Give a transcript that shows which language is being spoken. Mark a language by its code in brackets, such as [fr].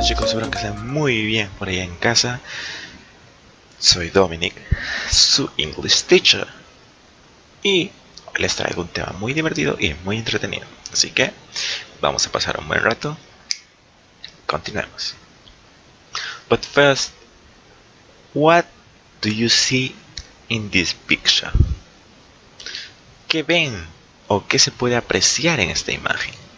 [es] Espero que estén muy bien por ahí en casa. Soy Dominic, su English teacher. Y hoy les traigo un tema muy divertido y muy entretenido. Así que vamos a pasar un buen rato. Continuemos. [en] But first, what do you see in this picture? [es] ¿Qué ven o qué se puede apreciar en esta imagen?